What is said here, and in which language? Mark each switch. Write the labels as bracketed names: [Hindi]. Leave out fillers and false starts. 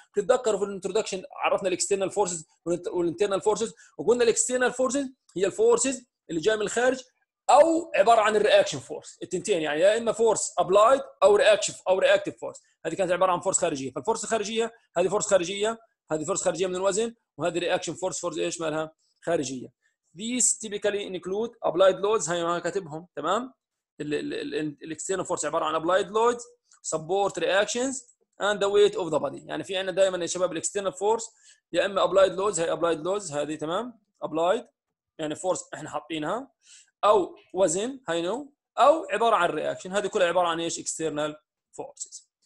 [Arabic] بتتذكروا في الانترودكشن عرفنا الاكسترنال فورسز والانترنال فورسز، وقلنا الاكسترنال فورسز هي الفورسز اللي جايه من الخارج او عباره عن الرياكشن فورس، التنتين يعني يا اما فورس ابلايد او رياكشن او رياكتيف فورس، هذه كانت عباره عن فورس خارجيه. فالفورس الخارجيه هذه فورس خارجيه، هذه فورس خارجيه من الوزن، وهذه رياكشن فورس، فورس ايش مالها؟ خارجيه. [English] These typically include applied loads، [Arabic] هاي ما كاتبهم، تمام. ال external force عبارة عن [English] applied loads support reactions and the weight of the body، [Arabic] يعني في عنا دائما يا شباب external force يا إما applied loads، هاي applied loads هذه، تمام applied يعني force إحنا حاطينها، أو وزن هاي نو، أو عبارة عن reaction، هذه كلها عبارة عن إيش external forces.